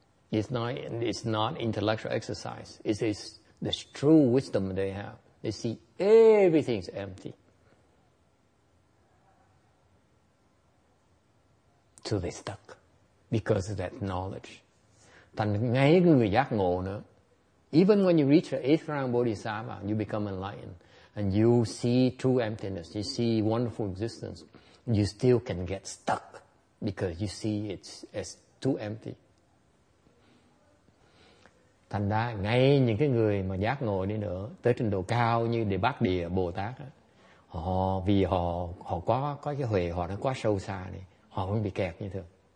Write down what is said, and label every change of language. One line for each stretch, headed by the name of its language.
English: It's not intellectual exercise. It's this true wisdom they have. They see everything's empty. So they stuck because of that knowledge.
Vietnamese: Thành ngay người giác ngộ nữa.
English: Even when you reach the eighth round bodhisattva, you become enlightened. And you see true emptiness, you see wonderful existence. You still can get stuck because you see it as too empty.
Vietnamese: Thành ra ngay những cái người mà giác ngộ đi nữa, tới trình độ cao như Đề Bát Địa Bồ Tát, vì họ có cái huệ họ đã quá sâu xa đi, họ vẫn bị kẹt như thường.